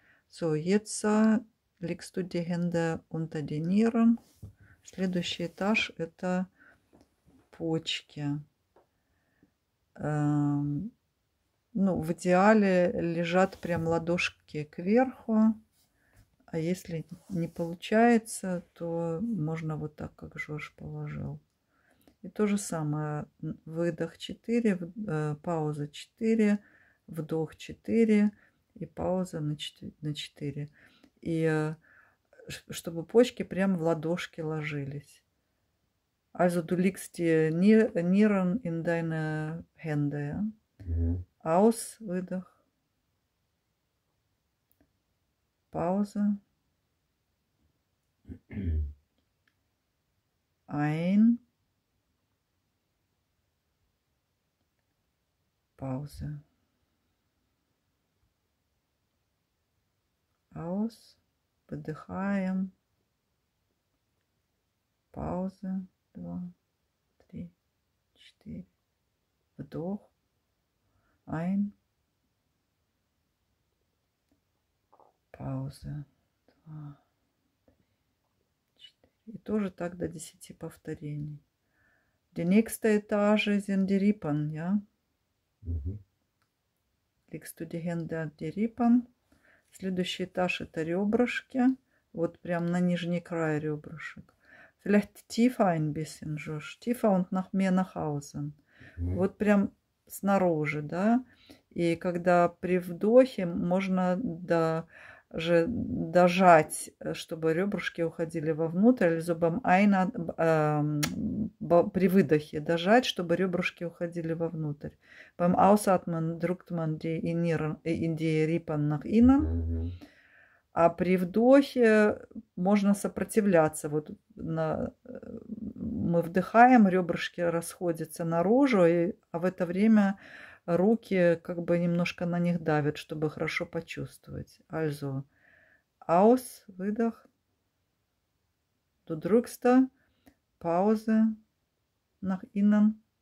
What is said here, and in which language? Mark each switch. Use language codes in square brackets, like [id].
[de] So, jetzt legst du die Hände unter die Nieren. [ru] Следующий этаж – это почки. Ну, в идеале лежат прям ладошки кверху. А если не получается, то можно вот так, как Жорж положил. И то же самое. Выдох 4, пауза 4, вдох 4 и пауза на 4. И чтобы почки прямо в ладошки ложились. [de] Also du legst die Nieren in deine Hände. Aus, [ru] выдох. Пауза. [de] Ein. Pause. Aus. [ru] Выдыхаем. Пауза. Два, три, четыре. Вдох. Ein. Пауза. Два, четыре. И тоже так до 10 повторений. [de] Die nächste Etage sind die Rippen, ja? Legst du die Hände an die Rippen. [ru] Следующий этаж – это ребрышки. Вот прям на нижний край ребрышек. [de] Vielleicht tiefer ein bisschen, Josh. Tiefer und nach mehr nach außen. [ru] Вот прям снаружи, да? И когда при вдохе можно даже дожать, чтобы ребрышки уходили вовнутрь, зубом при выдохе дожать, чтобы ребрышки уходили вовнутрь. [de] Beim Ausatmen drückt man die Rippen nach innen. [ru] А при вдохе можно сопротивляться. Вот мы вдыхаем, ребрышки расходятся наружу, а в это время руки как бы немножко на них давят, чтобы хорошо почувствовать. [de] Also, aus, выдох. Du drückst, пауза, nach innen.